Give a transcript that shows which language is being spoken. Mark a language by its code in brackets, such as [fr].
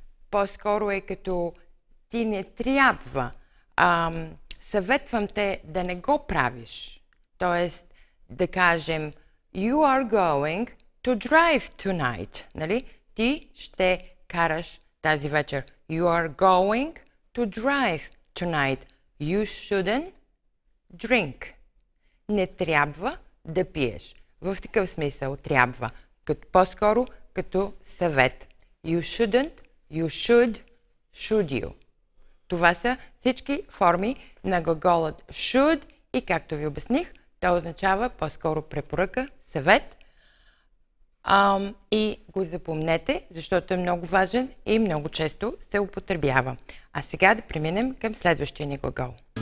[bg] По-скоро е като ти не трябва. Съветвам те да не го правиш. Тоест да кажем [en] you are going to drive tonight. [bg] Нали? Ти ще караш тази вечер. [en] You are going to drive tonight. You shouldn't drink. [bg] Не трябва да пиеш. В такъв смисъл трябва. Като по-скоро като съвет. [en] You shouldn't, you should you. [bg] Това са всички форми на глаголът should и както ви обясних, то означава по-скоро препоръка, съвет. И го запомнете, защото е много важен и много често се употребява. А сега да преминем към следващия ни глагол.